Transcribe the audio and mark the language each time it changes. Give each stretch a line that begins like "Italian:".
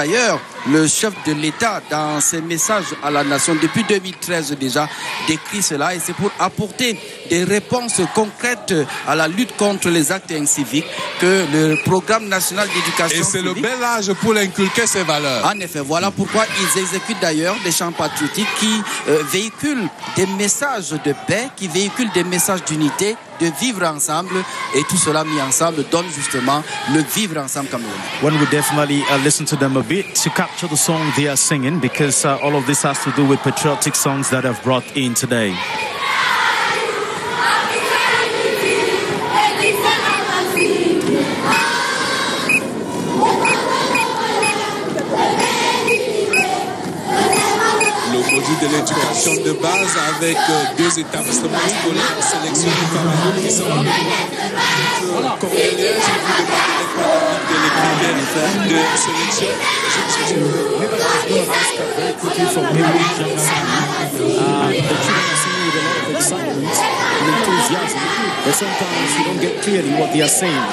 French: D'ailleurs, le chef de l'État, dans ses messages à la nation depuis 2013 déjà, décrit cela, et c'est pour apporter des réponses concrètes à la lutte contre les actes inciviques que le programme national d'éducation civique... Et c'est le bel âge pour inculquer ces valeurs. En effet, voilà pourquoi ils exécutent d'ailleurs des chants patriotiques qui véhiculent des messages de paix, qui véhiculent des messages d'unité, de vivre ensemble, et tout cela mis ensemble donne justement le vivre ensemble camerounais.
English: One would definitely listen to them a bit to capture the song they are singing, because all of this has to do with patriotic songs that I've brought in today.
French: De l'éducation de base avec deux établissements scolaires sélectionnés par la commission.
English: The children are singing with a lot of excitement and enthusiasm, but sometimes you don't get clearly what they are saying.